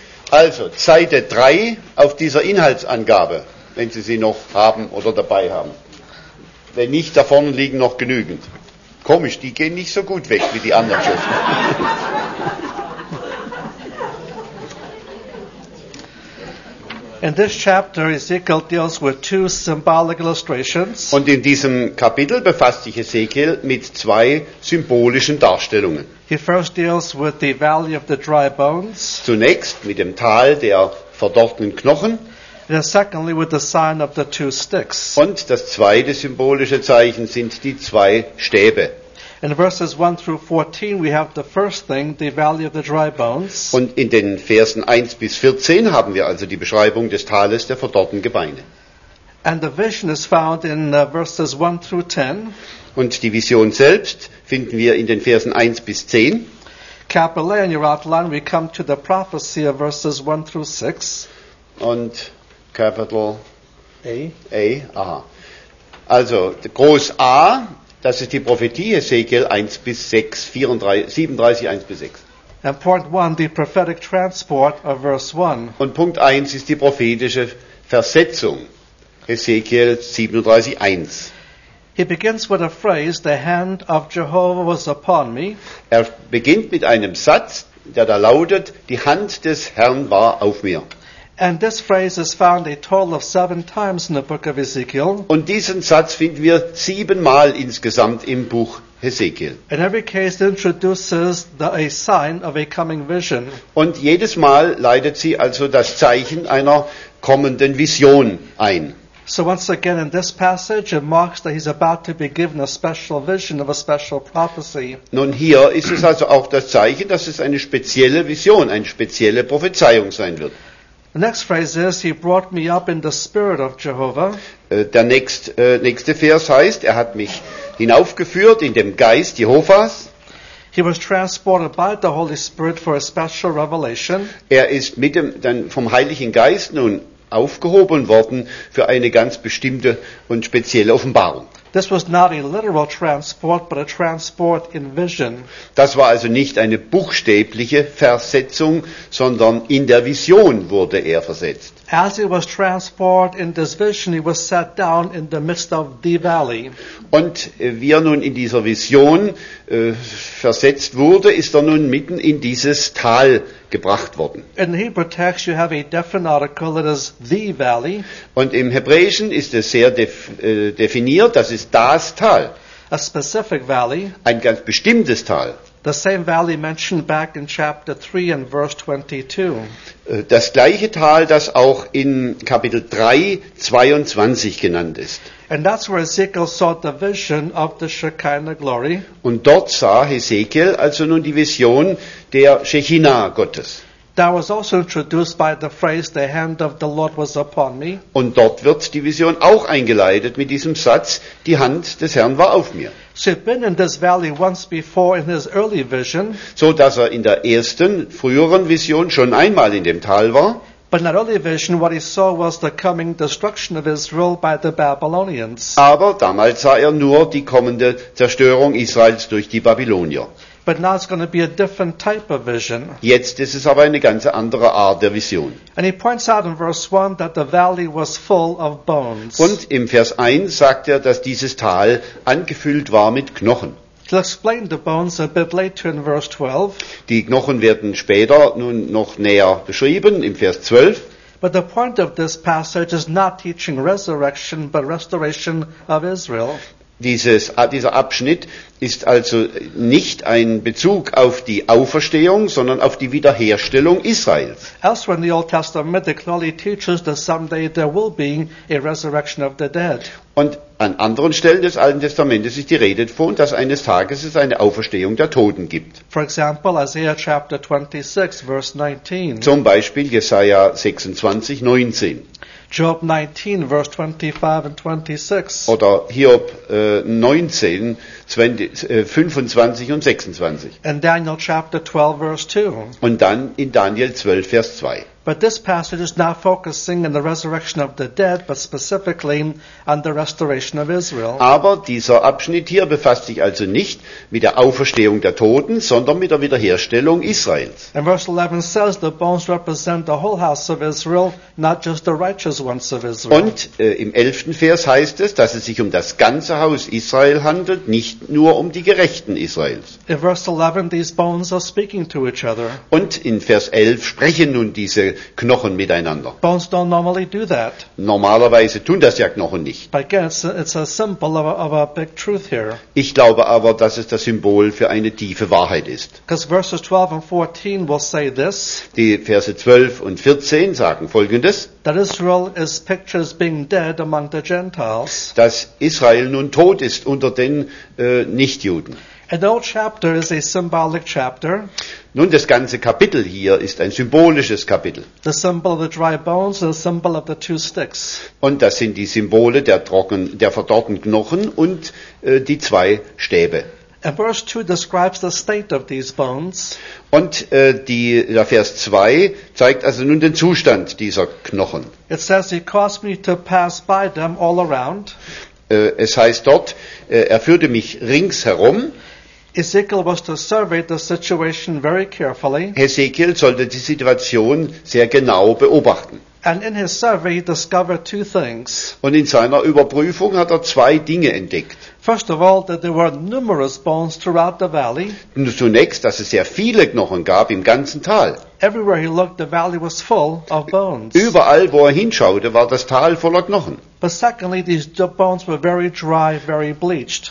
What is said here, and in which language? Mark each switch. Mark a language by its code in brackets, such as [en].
[de] Also, Seite 3 auf dieser Inhaltsangabe, wenn Sie sie noch haben oder dabei haben. Wenn nicht, da vorne liegen noch genügend. Komisch, die gehen nicht so gut weg wie die anderen Schriften. [en] In this chapter, Ezekiel deals with two symbolic illustrations. [de] Und in diesem Kapitel befasst sich Ezekiel mit zwei symbolischen Darstellungen. [en] He first deals with the valley of the dry bones. [de] Zunächst mit dem Tal der verdorrten Knochen. [en] And secondly with the sign of the two sticks. [de] Und das zweite symbolische Zeichen sind die zwei Stäbe. [en] In verses 1 through 14 we have the first thing, the valley of the dry bones. [de] Und in den Versen 1 bis 14 haben wir also die Beschreibung des Tales der verdorrten Gebeine. [en] And the vision is found in verses 1 through 10. [de] Und die Vision selbst finden wir in den Versen 1 bis 10. [en] Capitally in your outline we come to the prophecy of verses 1 through 6. [de] Und capital [en] A. [de] A, aha. Also groß A. Das ist die Prophetie, Ezekiel 1 bis 6, 37, 1 bis 6. [en] And point one, the prophetic transport of verse one. [de] Und Punkt 1 ist die prophetische Versetzung, Ezekiel 37, 1. [en] He begins with a phrase, the hand of Jehovah was upon me. [de] Er beginnt mit einem Satz, der da lautet, die Hand des Herrn war auf mir. [en] And this phrase is found a total of 7 times in the book of Ezekiel. [de] Und diesen Satz finden wir 7-mal insgesamt im Buch Ezekiel. [en] In every case it introduces a sign of a coming vision. [de] Und jedes Mal leitet sie also das Zeichen einer kommenden Vision ein. [en] So once again in this passage it marks that he's about to be given a special vision of a special prophecy. [de] Nun hier ist es also auch das Zeichen, dass es eine spezielle Vision, eine spezielle Prophezeiung sein wird. [en] The next phrase is, he brought me up in the spirit of Jehovah. [de] Der nächste Vers heißt, er hat mich hinaufgeführt in dem Geist Jehovas. [en] He was transported by the Holy Spirit for a special revelation. [de] Er ist vom Heiligen Geist nun aufgehoben worden für eine ganz bestimmte und spezielle Offenbarung. [en] This was not a literal transport, but a transport in vision. [de] Das war also nicht eine buchstäbliche Versetzung, sondern in der Vision wurde er versetzt. [en] As he was transported in this vision, he was set down in the midst of the valley. [de] Und wie er nun in dieser Vision versetzt wurde, ist er nun mitten in dieses Tal gebracht worden. [en] In the Hebrew text you have a definite article, it is the valley. [de] Und im Hebräischen ist es sehr definiert, das ist das Tal. [en] A specific valley. [de] Ein ganz bestimmtes Tal. [en] The same valley mentioned back in chapter 3 and verse 22. [de] Das gleiche Tal, das auch in Kapitel 3, 22 genannt ist. [en] And that's where Ezekiel saw the vision of the Shekinah glory. [de] Und dort sah Ezekiel also nun die Vision der Shekinah Gottes. [en] That was also introduced by the phrase, the hand of the Lord was upon me. [de] Und dort wird die Vision auch eingeleitet mit diesem Satz, die Hand des Herrn war auf mir. [en] So he'd been in this valley once before in his early vision. [de] So dass er in der ersten, früheren Vision schon einmal in dem Tal war. [en] But in that early vision, what he saw was the coming destruction of Israel by the Babylonians. [de] Aber damals sah er nur die kommende Zerstörung Israels durch die Babylonier. [en] But now it's going to be a different type of vision. [de] Jetzt ist es aber eine ganz andere Art der Vision. [en] And he points out in verse 1 that the valley was full of bones. [de] Und im Vers 1 sagt er, dass dieses Tal angefüllt war mit Knochen. [en] He'll explain the bones a bit later in verse 12. [de] Die Knochen werden später nun noch näher beschrieben im Vers 12. [en] But the point of this passage is not teaching resurrection, but restoration of Israel. [de] Dieser Abschnitt ist also nicht ein Bezug auf die Auferstehung, sondern auf die Wiederherstellung Israels. [en] Elsewhere in the Old Testament, it clearly teaches that someday there will be a resurrection of the dead. [de] Und an anderen Stellen des Alten Testamentes ist die Rede davon, dass eines Tages es eine Auferstehung der Toten gibt. [en] For example, Isaiah chapter 26, verse 19. [de] Zum Beispiel Jesaja 26, 19. [en] Job 19, verse 25 and 26. [de] Oder Hiob 19, 25 und 26. [en] And Daniel chapter 12, verse 2. [de] Und dann in Daniel 12, Vers 2. [en] But this passage is not focusing on the resurrection of the dead, but specifically on the restoration of Israel. [de] Aber dieser Abschnitt hier befasst sich also nicht mit der Auferstehung der Toten, sondern mit der Wiederherstellung Israels. [en] And verse 11 says the bones represent the whole house of Israel, not just the righteous ones of Israel. [de] Und im 11. Vers heißt es, dass es sich um das ganze Haus Israel handelt, nicht nur um die Gerechten Israels. [en] In verse 11 these bones are speaking to each other. [de] Und in Vers 11 sprechen nun diese Knochen miteinander. [en] Bones don't normally do that. [de] Normalerweise tun das ja Knochen nicht. [en] But again, it's a symbol of a big truth here. [de] Ich glaube aber, dass es das Symbol für eine tiefe Wahrheit ist. [en] Because verses 12 and 14 will say this. [de] Die Verse 12 und 14 sagen Folgendes. [en] That Israel is pictured as being dead among the Gentiles. [de] Dass Israel nun tot ist unter den Nichtjuden. [en] An old chapter is a symbolic chapter. [de] Nun, das ganze Kapitel hier ist ein symbolisches Kapitel. [en] The symbol of the dry bones and the symbol of the two sticks. [de] Und das sind die Symbole der verdorrten Knochen und die zwei Stäbe. [en] And verse 2 describes the state of these bones. [de] Und der Vers 2 zeigt also nun den Zustand dieser Knochen. [en] It says he caused me to pass by them all around. [de] Es heißt dort, er führte mich ringsherum. [en] Ezekiel was to survey the situation very carefully. [de] Ezekiel sollte die Situation sehr genau beobachten. [en] And in his survey he discovered two things. [de] Und in seiner Überprüfung hat er zwei Dinge entdeckt. [en] First of all, that there were numerous bones throughout the valley. [de] Zunächst, dass es sehr viele Knochen gab im ganzen Tal. [en] Everywhere he looked, the valley was full of bones. [de] Überall, wo er hinschaute, war das Tal voller Knochen. [en] But secondly, these bones were very dry, very bleached.